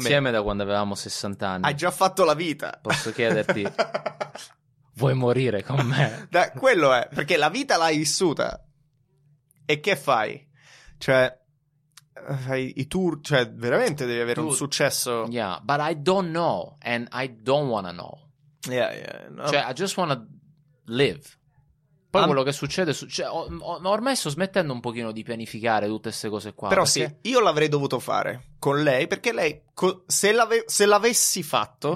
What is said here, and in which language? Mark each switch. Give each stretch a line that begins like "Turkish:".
Italian: Siamo insieme da quando avevamo 60 anni. Hai già fatto la vita. Posso chiederti... vuoi morire con me? Da, quello è... Perché la vita l'hai vissuta. E che fai? Cioè... I tour, cioè veramente devi avere un successo.
English: Yeah, but I don't know and I don't wanna know. Yeah, yeah, no. Cioè I just wanna live.
Italian: Poi quello che succede, ormai sto smettendo un pochino di pianificare tutte queste cose qua. Però perché... sì, io l'avrei dovuto fare con lei, perché lei se l'avessi fatto